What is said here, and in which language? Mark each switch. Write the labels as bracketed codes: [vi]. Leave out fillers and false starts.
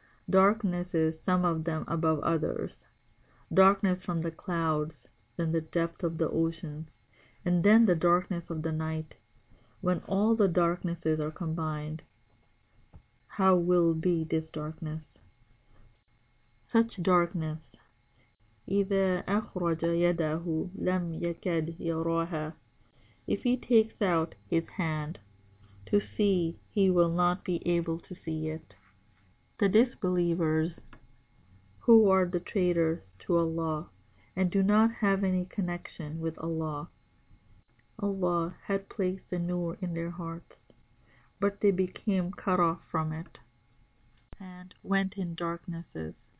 [en] Darknesses, some of them above others. Darkness from the clouds, then the depth of the oceans, and then the darkness of the night. When all the darknesses are combined, how will be this darkness? Such darkness, [ar] إِذَا أَخْرَجَ يَدَهُ لَمْ يَكَدْ يَرَاهَا. [en] If he takes out his hand to see, he will not be able to see it. The disbelievers, who are the traitors to Allah and do not have any connection with Allah. Allah had placed the nur in their hearts, but they became cut off from it and went in darknesses.